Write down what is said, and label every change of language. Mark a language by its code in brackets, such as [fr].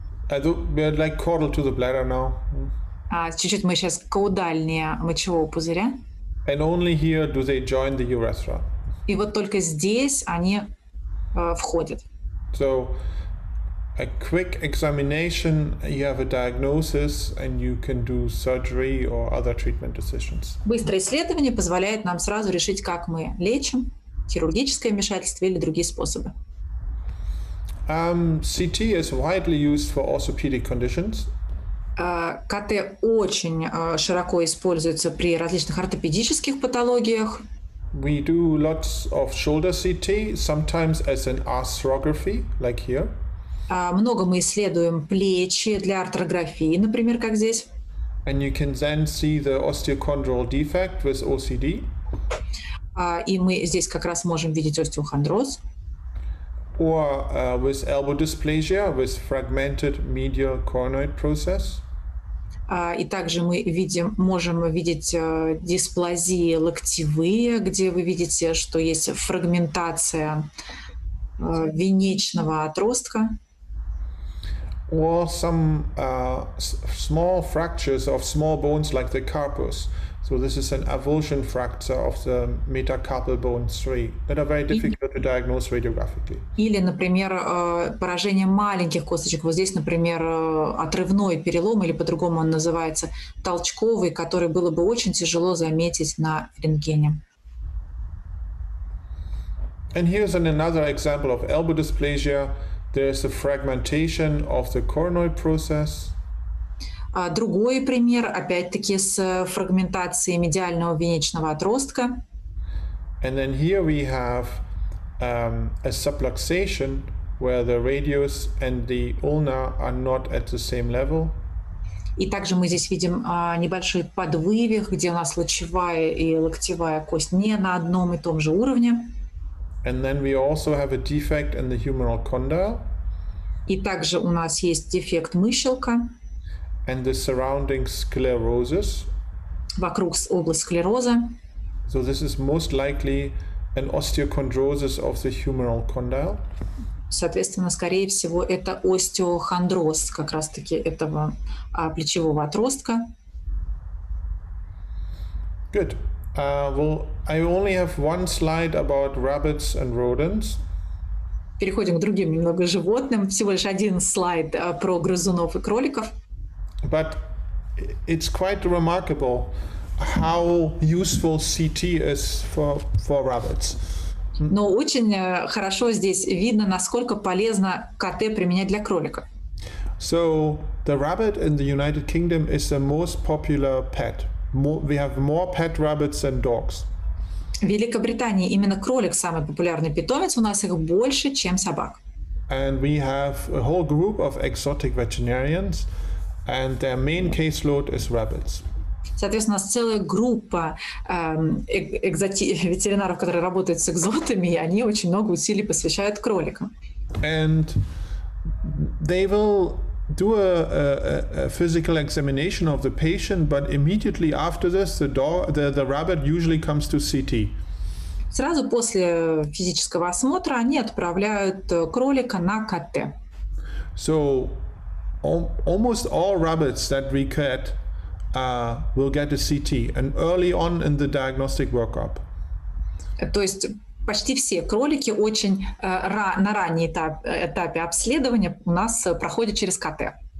[en] We are like caudal to the bladder now. [ru] Чуть-чуть мы сейчас каудальнее мочевого пузыря. [en] And only here do they join the urethra. [ru] И вот только здесь они входят. [en] So a quick examination, you have a diagnosis, and you can do surgery or other treatment decisions. [ru] Быстрое исследование позволяет нам сразу решить, как мы лечим, хирургическое вмешательство или другие способы. [en] CT is widely used for orthopedic conditions. [ru] КТ очень широко используется при различных ортопедических патологиях. [en] We do lots of shoulder CT, sometimes as an arthrography, like here. [ru] Много мы исследуем плечи для артрографии, например, как здесь. И мы здесь как раз можем видеть остеохондроз. [en] Or, with elbow dysplasia, with fragmented medial coronoid process. [ru] И также мы видим, можем видеть дисплазии локтевые, где вы видите, что есть фрагментация венечного отростка. [en] Or some small fractures of small bones like the carpus. So this is an avulsion fracture of the metacarpal bone 3 that are very difficult to diagnose radiographically. [ru] Или, например, поражение маленьких косточек. Вот здесь, например, отрывной перелом, или по-другому он называется, толчковый, который было бы очень тяжело заметить на рентгене. [en] And here's another example of elbow dysplasia. There is a fragmentation of the coronoid process. [ru] Другой пример, опять-таки, с фрагментацией медиального венечного отростка. [en] And then here we have a subluxation where the radius and the ulna are not at the same level. [ru] И также мы здесь видим небольшой подвывих, где у нас лучевая и локтевая кость не на одном и том же уровне. [en] And then we also have a defect in the humeral condyle. [ru] И также у нас есть дефект мыщелка. [en] And the surrounding sclerosis. [ru] Вокруг область склероза. [en] So this is most likely an osteochondrosis of the humeral condyle. [ru] Соответственно, скорее всего, это остеохондроз как раз-таки этого плечевого отростка. [en] Good. Well, I only have one slide about rabbits and rodents. [ru] Переходим к другим немного животным. Всего лишь один слайд про грызунов и кроликов. [en] But it's quite remarkable how useful CT is for rabbits. [ru] Но очень хорошо здесь видно, насколько полезно КТ применять для кроликов. [en] So the rabbit in the United Kingdom is the most popular pet. We have more pet rabbits than dogs. [ru] В Великобритании именно кролик самый популярный питомец, у нас их больше, чем собак. [en] And we have a whole group of exotic veterinarians, and their main caseload is rabbits. [ru] Соответственно, у нас целая группа ветеринаров, которые работают с экзотами, и они очень много усилий посвящают кроликам. [en] And they will do a physical examination of the patient, but immediately after this, the rabbit usually comes to CT. [ru] Сразу после физического осмотра они отправляют кролика на КТ. [en] So almost all rabbits that we get will get a CT, and early on in the diagnostic workup. [ru] То есть почти все кролики очень на ранней этапе обследования у нас проходят через КТ.